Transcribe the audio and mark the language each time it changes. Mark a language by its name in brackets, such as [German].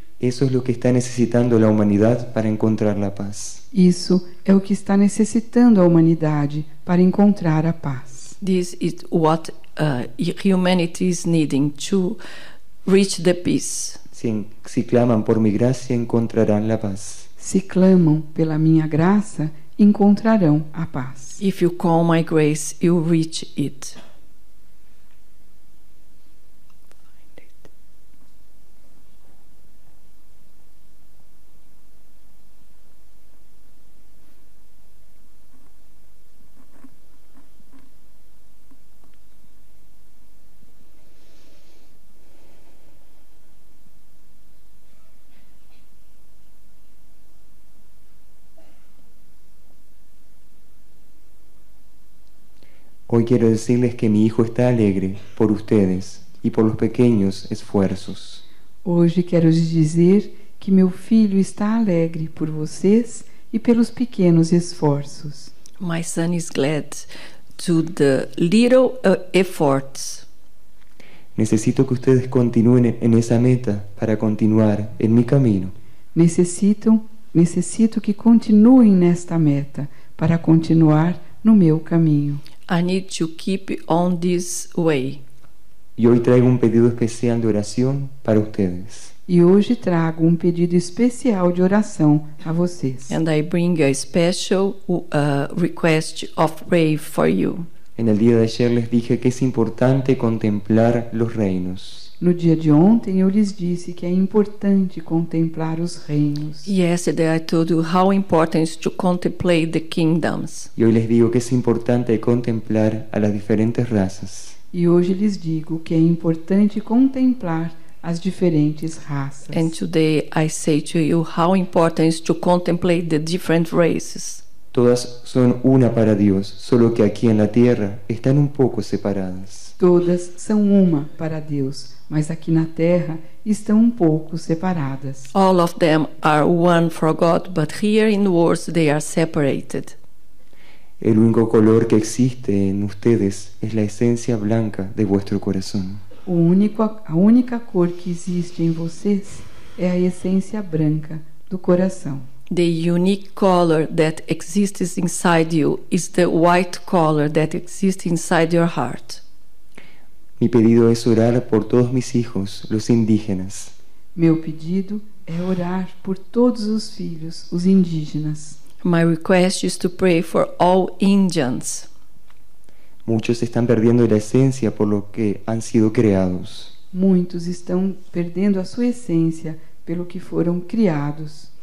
[Spanish] Eso es lo que está necesitando la humanidad para encontrar la paz. [Portuguese] Isso é o que está necessitando a humanidade para encontrar a paz. [English] This is what humanity is needing to reach the peace. [Spanish] Si claman por mi gracia encontrarán la paz. [Portuguese] Se clamam pela minha graça encontrarão a paz. [English] If you call my grace, you reach it. [Spanish] Hoy quiero decirles que mi hijo está alegre por ustedes y por los pequeños esfuerzos. [Portuguese] Hoje quero dizer que meu filho está alegre por vocês e pelos pequenos esforços. [English] My son is glad to the little efforts. [Spanish] Necesito que ustedes continúen en esa meta para continuar en mi camino. [Portuguese] Necesito que continuem nesta meta para continuar no meu caminho. [English] I need to keep on this way. [Spanish] Y hoy traigo un pedido especial de oración para ustedes. [Portuguese] E hoje trago um pedido especial de oração a vocês. [English] And I bring a special request of prayer for you. [Spanish] En el día de ayer les dije que es importante contemplar los reinos. [Portuguese] No dia de ontem eu lhes disse que é importante contemplar os reinos. [English] Yesterday I told you how important it is to contemplate the kingdoms. [Portuguese] E hoje lhes digo que é importante contemplar as diferentes raças. E hoje lhes digo que é importante contemplar as diferentes raças. [English] And today I say to you how important it is to contemplate the different races. [Spanish] Todas son una para Dios, solo que aquí en la tierra están un poco separadas. [Portuguese] Todas são uma para Deus, mas aqui na terra estão um pouco separadas. [English] All of them are one for God, but here in the world they are separated. [Spanish] El único color que existe en ustedes es la esencia blanca de vuestro corazón. [Portuguese] A única cor que existe em vocês é a essência branca do coração. [English] The unique color that exists inside you is the white color that exists inside your heart. [Spanish] Mi pedido es orar por todos mis hijos, los indígenas. [Portuguese] Meu pedido é orar por todos os filhos, os indígenas. [English] My request is to pray for all Indians. [Spanish] Muchos están perdiendo la esencia por lo que han sido creados. [Portuguese] Muitos estão perdendo a sua essência pelo que foram criados.